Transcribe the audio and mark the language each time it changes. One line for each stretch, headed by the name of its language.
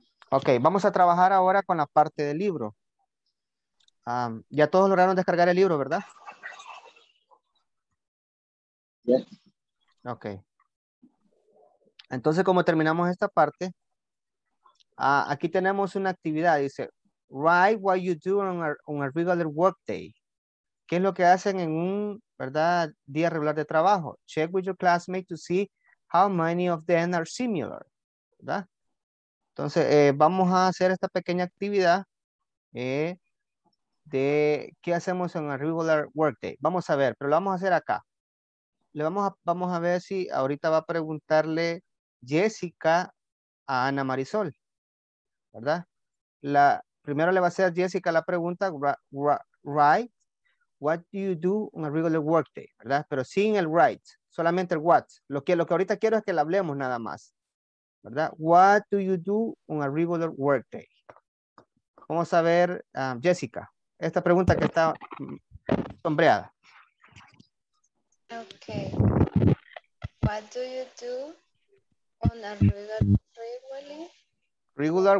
Spanish: Ok, vamos a trabajar ahora con la parte del libro. Ya todos lograron descargar el libro, ¿verdad?
English: Yes. Ok.
Spanish: Entonces, como terminamos esta parte, aquí tenemos una actividad. Dice,
English: write what you do on a regular workday.
Spanish: ¿Qué es lo que hacen en un, verdad, día regular de trabajo?
English: Check with your classmates to see how many of them are similar, ¿verdad?
Spanish: Entonces, vamos a hacer esta pequeña actividad de qué hacemos en el regular workday. Vamos a ver, pero lo vamos a hacer acá. Vamos a ver si ahorita va a preguntarle Jessica a Ana Marisol, ¿verdad? Primero le va a hacer Jessica la pregunta, right?
English: What do you do on a regular workday, ¿verdad?
Spanish: Pero sin el right, solamente el
English: what.
Spanish: Lo que ahorita quiero es que le hablemos nada más, ¿verdad?
English: What do you do on a regular workday?
Spanish: Vamos a ver, Jessica, esta pregunta que está sombreada.
English: Okay. What do you do on a regular